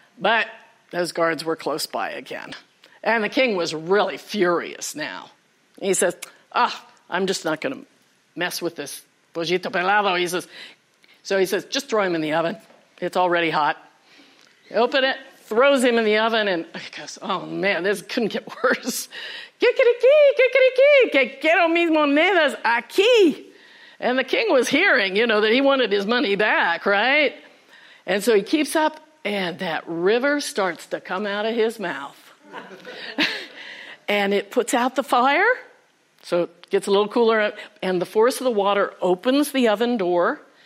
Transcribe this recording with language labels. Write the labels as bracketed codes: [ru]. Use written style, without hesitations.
[en] But those guards were close by again. And the king was really furious now. He says, oh, I'm just not going to mess with this Pollito Pelado. So he says, just throw him in the oven. It's already hot. Open it. Throws him in the oven, and he goes, oh, man, this couldn't get worse. [es] Kikiriki, kikiriki, que quiero mis monedas aquí. [en] And the king was hearing, you know, that he wanted his money back, right? And so he keeps up, and that river starts to come out of his mouth. And it puts out the fire, so it gets a little cooler, and the force of the water opens the oven door.